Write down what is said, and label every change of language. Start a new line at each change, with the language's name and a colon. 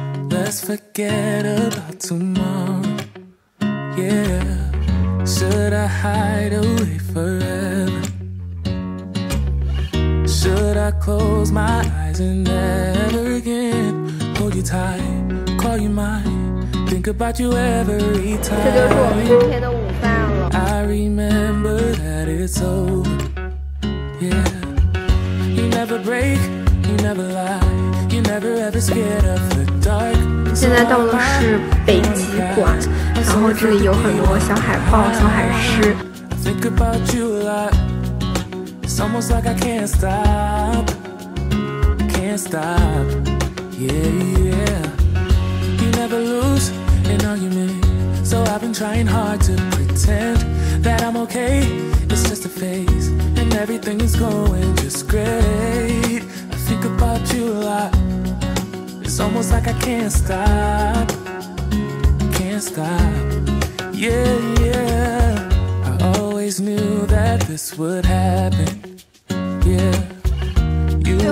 English: Let's forget about tomorrow. Yeah. Should I hide away forever? Should I close my eyes and never again hold you tight, call you mine, think about you every time?
Chinese: 这就是我们今天的午饭了。
English: I remember that it's over. Yeah. You never break, you never lie, you never ever scared of the dark.
Chinese: 现在到了是北极馆，然后这里有很多小海豹、小海狮。最